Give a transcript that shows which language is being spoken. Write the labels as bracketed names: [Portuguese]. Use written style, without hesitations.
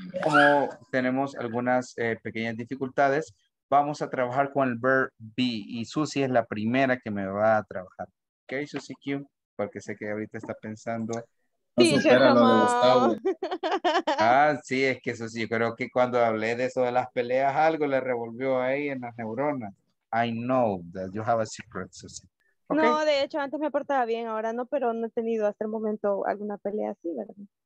[Spanish] Como tenemos algunas pequeñas dificultades, vamos a trabajar con el verb be. Y Susie es la primera que me va a trabajar. ¿Ok, Susie Q? Porque sé que ahorita está pensando. No supera lo de Gustavo. Ah, sí, es que Susie, yo creo que cuando hablé de eso de las peleas, algo le revolvió ahí en las neuronas. [English] I know that you have a secret, Susie. Okay. [Spanish] No, de hecho, antes me portaba bien, ahora no, pero no he tenido hasta el momento alguna pelea así, ¿verdad?